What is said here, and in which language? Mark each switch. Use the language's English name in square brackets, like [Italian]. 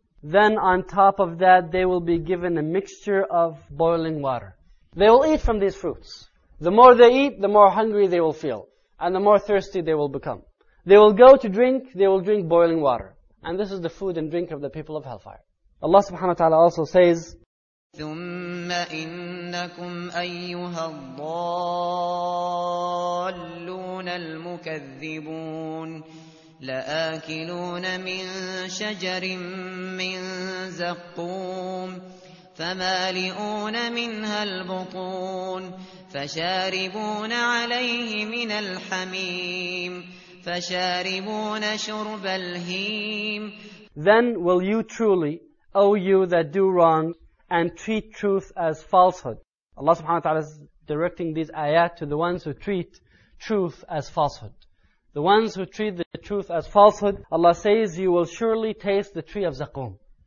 [English] Then on top of that, they will be given a mixture of boiling water. They will eat from these fruits. The more they eat, the more hungry they will feel. And the more thirsty they will become. They will go to drink, they will drink boiling water. And this is the food and drink of the people of hellfire. Allah subhanahu wa ta'ala also says, [Arabic] ثُمَّ إِنَّكُمْ أَيُّهَا الضَّالُّونَ الْمُكَذِّبُونَ لآكلون من شجر من زقوم فمالئون منها البطون فشاربون عليه من الحميم فشاربون شرب الهيم [English] Then will you truly, O you that do wrong, and treat truth as falsehood? Allah subhanahu wa ta'ala directing these ayat to the ones who treat truth as falsehood. The ones who treat the truth as falsehood, Allah says, you will surely taste the tree of Zaqum.